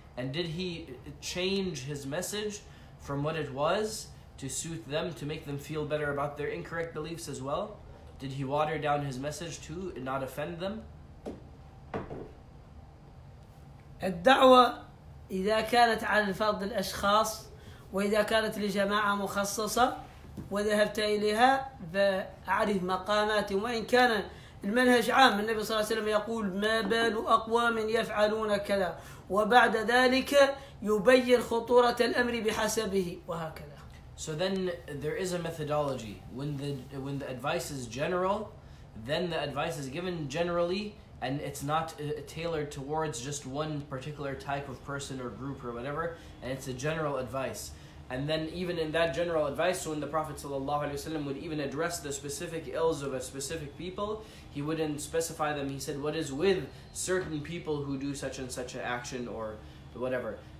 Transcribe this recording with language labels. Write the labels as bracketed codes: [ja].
[en] And did he change his message from what it was to suit them, to make them feel better about their incorrect beliefs as well? Did he water down his message to not offend them? [ar] الدعوة إذا كانت على الفرد الأشخاص وإذا كانت لجماعة مخصصة وذهبت إليها فأعرف مقامات. وإن كان المنهج عام النبي صلى الله عليه وسلم يقول ما بال أقوام يفعلون كذا وبعد ذلك يبين خطورة الأمر بحسبه وهكذا. [en] So then there is a methodology. When the advice is general, then the advice is given generally. And it's not tailored towards just one particular type of person or group or whatever. And it's a general advice. And then even in that general advice, when the Prophet ﷺ would even address the specific ills of a specific people, he wouldn't specify them. He said, what is with certain people who do such and such an action or whatever.